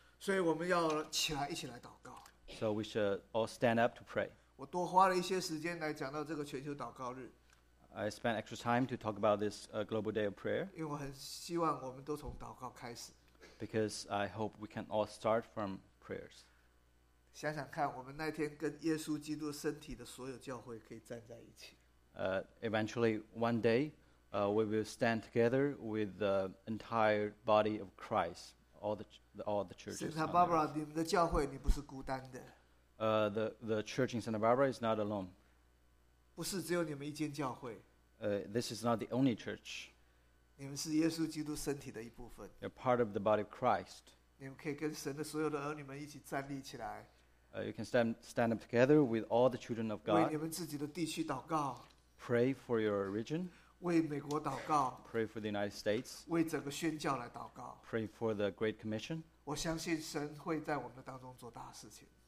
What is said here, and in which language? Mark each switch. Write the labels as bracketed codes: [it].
[zh] 所以我们要起来一起来祷告。 [en] So we should all stand up to pray. [zh] 我多花了一些时间来讲到这个全球祷告日。 [en] I spent extra time to talk about this Global Day of Prayer. [zh] 因为我很希望我们都从祷告开始。 [en] Because I hope we can all start from prayers. [zh] 想想看，我们那天跟耶稣基督身体的所有教会可以站在一起。 [en] Eventually, one day, we will stand together with the entire body of Christ, all the churches. [zh] Santa Barbara, 你们的教会你不是孤单的。 [en] The church in Santa Barbara is not alone. [zh] 不是只有你们一间教会。 [en] This is not the only church. [zh] 你们是耶稣基督身体的一部分。 [en] You're part of the body of Christ. [zh] 你们可以跟神的所有的儿女们一起站立起来。 [en] You can stand up together with all the children of God. [zh] 为你们自己的地区祷告。 [en] Pray for your region. [zh] 为美国祷告。 [en] Pray for the United States. [zh] 为整个宣教来祷告。 [en] Pray for the Great Commission. [zh] 我相信神会在我们的当中做大事情。